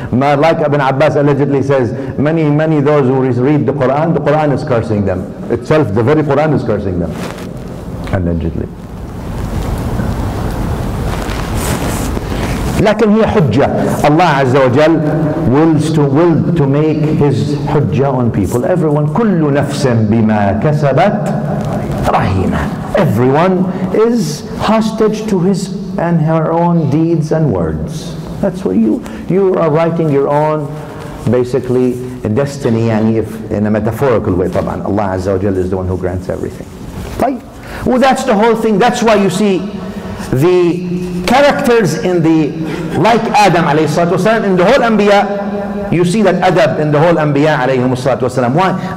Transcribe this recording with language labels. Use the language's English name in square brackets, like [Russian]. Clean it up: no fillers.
[English] Like Ibn Abbas allegedly says, many those who read the Quran is cursing them. Itself, the very Quran is cursing them. Allegedly. [Arabic] لكن هي حجة. [English] Allah Azza wa Jal will to make his hujja on people. Everyone, [Arabic] كل نفس بما كسبت رهينة. [English] Everyone is hostage to his and her own deeds and words. That's what you are writing your own, basically, a destiny, in a metaphorical way. [Arabic] طبعاً. [English] Allah Azza wa Jal is the one who grants everything. [Arabic] طيب. [English] Well, that's the whole thing. That's why you see the characters in the, like Adam alayhi salatu wasalam, in the whole Anbiya, you see that adab in the whole Anbiya alayhi salatu wasalam. Why?